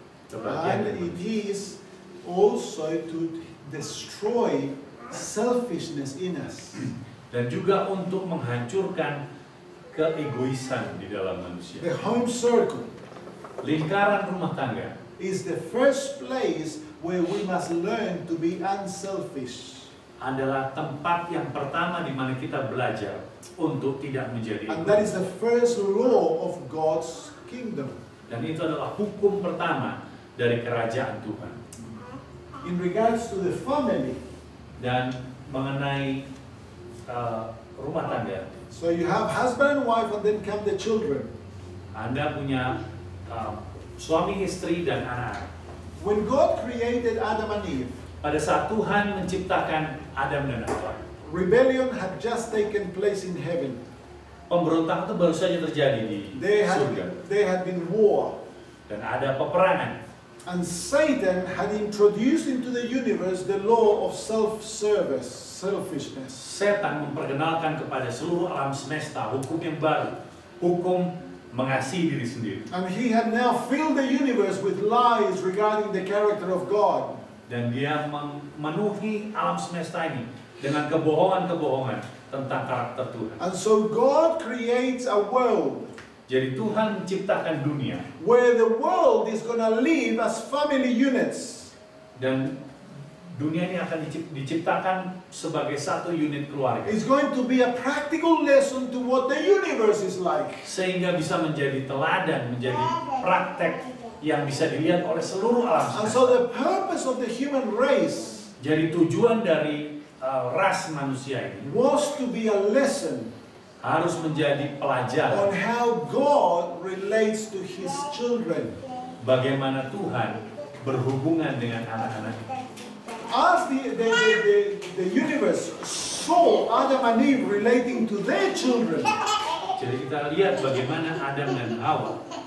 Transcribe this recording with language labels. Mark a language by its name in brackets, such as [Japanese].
[Indonesian] Kebahagiaan [English] and [Indonesian] manusia. [English] It is also to destroy selfishness in us. [Indonesian] Dan juga untuk menghancurkan keegoisan di dalam manusia. [English] The home circle. [Indonesian] Lingkaran rumah tangga. [English] Is the first place where we must learn to be unselfish. [Indonesian] Adalah tempat yang pertama di mana kita belajar untuk tidak menjadi egois. [English] And that is the first law of God's kingdom. [Indonesian] Dan itu adalah hukum pertama dari kerajaan Tuhan. [English] In regards to the family. [Indonesian] Dan mengenai rumah tangga. [English] So you have husband and wife and then come the children. [Indonesian] Anda punya suami istri dan anak. [English] When God created Adam and Eve. [Indonesian] Pada saat Tuhan menciptakan Adam dan Hawa. [English] Rebellion had just taken place in heaven. [Indonesian] Pemberontakan itu baru saja terjadi di surga. [English] There had been war. [Indonesian] Dan ada peperangan. [English] And Satan had introduced into the universe the law of self-service, selfishness. [Indonesian] Setan memperkenalkan kepada seluruh alam semesta hukum yang baru, hukum mengasihi diri sendiri. [English] And he had now filled the universe with lies regarding the character of God. [Indonesian] Dan dia memenuhi alam semesta ini dengan kebohongan-kebohongan tentang karakter Tuhan. [English] And so God creates a world. [Indonesian] Jadi Tuhan menciptakan dunia. [English] Where the world is gonna live as family units. [Indonesian] Dan dunia ini akan diciptakan sebagai satu unit keluarga. [English] It's going to be a practical lesson to what the universe is like. [Indonesian] Sehingga bisa menjadi teladan, menjadi praktek yang bisa dilihat oleh seluruh alam. [English] And so the purpose of the human race. [Indonesian] Jadi tujuan dari ras manusia ini. [English] Was to be a lesson. [Indonesian] Harus menjadi pelajaran. [English] On how God relates to His children. [Indonesian] Bagaimana Tuhan berhubungan dengan anak-anak. [English] As the universe saw Adam and Eve relating to their children. [Indonesian] Jadi kita lihat bagaimana Adam dan Hawa.